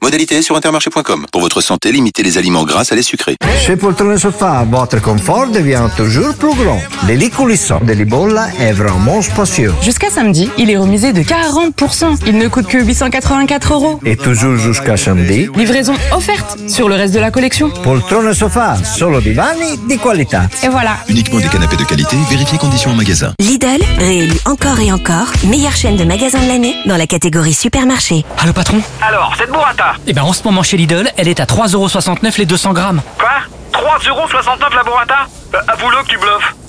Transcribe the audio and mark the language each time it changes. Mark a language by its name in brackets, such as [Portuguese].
[French] Modalité sur intermarché.com. Pour votre santé, limitez les aliments gras, salés, sucrés. Chez Poltron et Sofa, votre confort devient toujours plus grand. Les lits coulissants, les lits bols est vraiment spacieux. Jusqu'à samedi, il est remisé de 40%. Il ne coûte que 884 euros. Et toujours jusqu'à samedi, livraison offerte sur le reste de la collection. [Italian] Poltron et Sofa, solo divani di qualità. [French] Et voilà. Uniquement des canapés de qualité, vérifiez conditions en magasin. Lidl, réélu encore et encore, meilleure chaîne de magasins de l'année dans la catégorie supermarché. Allô patron? Alors, cette burrata? Eh ben en ce moment chez Lidl, elle est à 3,69€ les 200 grammes. Quoi? 3,69€ la burrata? Avoue-le que tu bluffes.